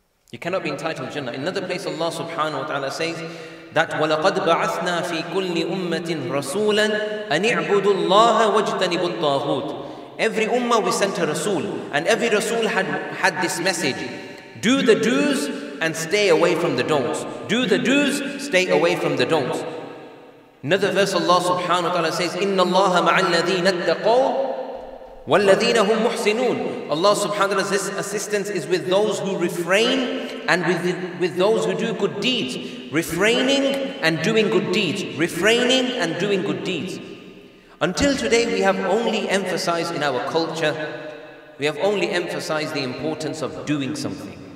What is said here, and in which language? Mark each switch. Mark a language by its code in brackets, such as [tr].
[en] You cannot be entitled to Jannah. In another place, Allah subhanahu wa ta'ala says that, [ar] وَلَقَدْ بَعَثْنَا فِي كُلِّ أُمَّةٍ رَسُولًا أَنِ اعْبُدُوا اللَّهَ وَاجْتَنِبُوا الطَّاغُوتِ. [en] Every ummah we sent a rasul, and every rasul had this message: do the do's and stay away from the don'ts. Do the do's, stay away from the don'ts. Another verse, Allah subhanahu wa ta'ala says, [ar] إِنَّ اللَّهَ مَعَ الَّذِينَ اتَّقَوْا وَالَّذِينَ هُمْ مُحْسِنُونَ. [en] Allah subhanahu wa ta'ala's assistance is with those who refrain and with those who do good deeds. Refraining and doing good deeds. Refraining and doing good deeds. Until today, we have only emphasized in our culture, we have only emphasized the importance of doing something.